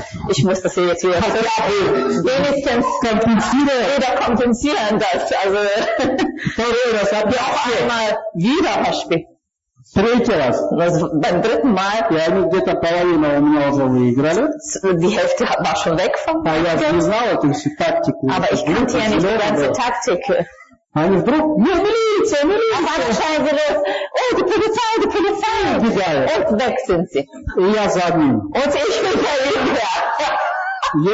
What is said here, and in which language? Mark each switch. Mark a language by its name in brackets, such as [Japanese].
[German] Ich muss das jetzt wieder wenigstens kompensieren. Das. Also, das habe ich auch einmal wieder verspielt. Beim dritten Mal. [Russian] Ja, где-то половина у меня уже выиграли. [German] Die Hälfte war schon weg von mir. Aber ich kannte ja nicht die ganze Taktik. [Russian] Они вдруг, милиция, милиция. [German] Oh, die Polizei. Und weg sind sie. [Russian] Я за ним. [German] Und ich bin da hinterher.